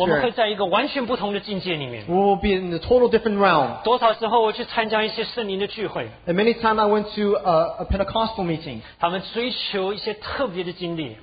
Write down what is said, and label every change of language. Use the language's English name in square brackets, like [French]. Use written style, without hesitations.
[Chinese] 我们会在一个完全不同的境界里面。 [English] We will be in a total different realm. [Chinese] 多少时候我去参加一些圣灵的聚会 [English] ？And many times I went to a Pentecostal meeting. [Chinese] 他们追求一些特别的经历。